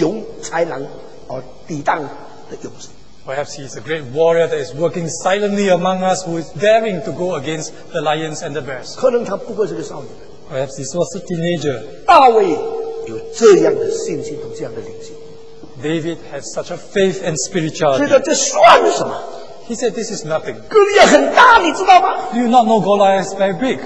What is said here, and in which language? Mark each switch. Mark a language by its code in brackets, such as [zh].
[zh] 可能就是默默耕耘，没有人知道，勤奋做工，敢面对狮子、熊、豺狼而抵挡的勇士。 [en] Perhaps he is a great warrior that is working silently among us, who is daring to go against the lions and the bears. [zh] 可能他不过是个少年。 [en] Perhaps he was a teenager. [zh] 大卫有这样的信心和这样的灵性。David [en] has such a faith and spirituality. [zh] 觉得这算什么? [en] He said, this is nothing. [zh] 哥利亚很大，你知道吗? [en] Do you not know Goliath is very big?